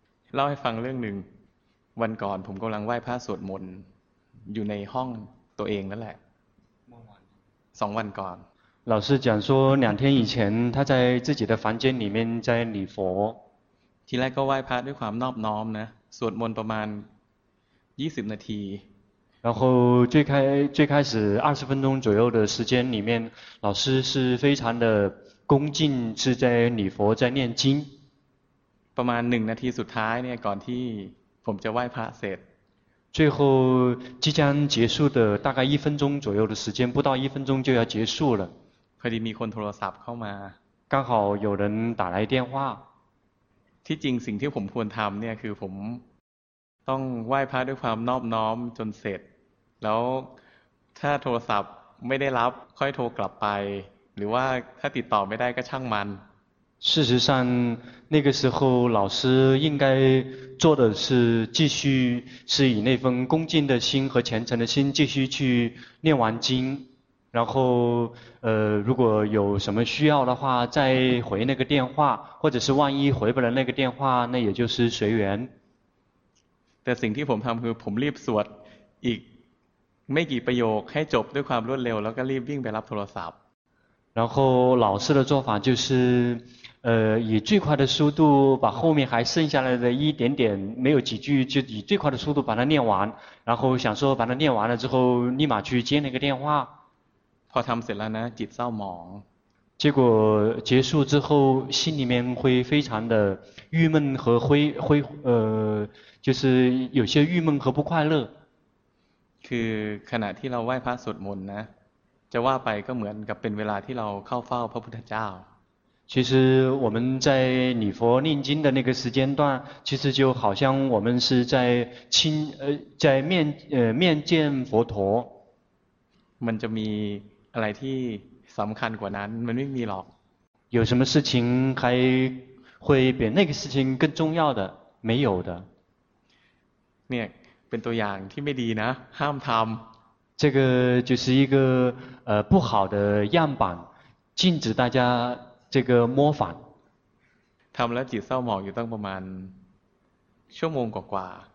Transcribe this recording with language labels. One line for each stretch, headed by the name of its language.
Thai: เล่าให้ฟังเรื่องหนึ่งวันก่อนผมกำลังไหว้พระสวดมนต์อยู่ในห้องตัวเองนั่นแหละ2วันก่อน
Chinese: 老师讲说两天以前他在自己的房间里面在礼佛
Thai: ทีแรกก็ไหว้พระด้วยความนอบน้อมนะสวดมนต์ประมาณ20นาที
Chinese: 然后最开始20分钟左右的时间里面老师是非常的恭敬是在礼佛在念经
Thai: ประมาณ1นาทีสุดท้ายเนี่ยก่อนที่ผมจะไหว้พระเสร็จ
Chinese: 最后即将结束的大概1分钟左右的时间不到1分钟就要结束了
Thai: พอดีมีคนโทรศัพท์เข้ามา
Chinese: 刚好有人打来电话
Thai: ที่จริงสิ่งที่ผมควรทำเนี่ยคือผมต้องไหว้พระด้วยความนอบน้อมจนเสร็จแล้วถ้าโทรศัพท์ไม่ได้รับค่อยโทรกลับไปหรือว่าถ้าติดต่อไม่ได้ก็ช่างมัน
Chinese: 事实上那个时候老师应该做的是继续是以那份恭敬的心和虔诚的心继续去念完经然后如果有什么需要的话再回那个电话或者是万一回不了那个电话那也就是随缘
Thai: แต่สิ่งที่ผมทำคือผมรีบสวดอีกไม่กี่ประโยคให้จบด้วยความรวดเร็วแล้วก็รีบวิ่งไปรับโทรศัพท์
Chinese: 然后老师的做法就是以最快的速度把后面还剩下来的一点点没有几句就以最快的速度把它念完，然后想说把它念完了之后立马去接那个电话。
Thai: พอทำเสร็จแล้วนะจิตเศร้าหมอง
Chinese: 结果结束之后心里面会非常的郁闷和灰就是有些郁闷和不快乐。
Thai: คือขณะที่เราไหว้พระสวดมนต์นะจะว่าไปก็เหมือนกับเป็นเวลาที่เราเข้าเฝ้าพระพุทธเจ้า
Chinese: 其实我们在礼佛念经的那个时间段其实就好像我们是在亲在面面见佛陀
Thai: มันจะมีอะไรที่สำคัญกว่านั้นมันไม่มีหรอก
Chinese: 有什么事情还会比那个事情更重要的没有的
Thai: เนี่ยเป็นตัวอย่างที่ไม่ดีนะห้ามทำ
Chinese: 这个就是一个不好的样板禁止大家这个模仿
Thai: ทำแล้วจิตเศร้าหมองอยู่ตั้งประมาณชั่วโมงกว่า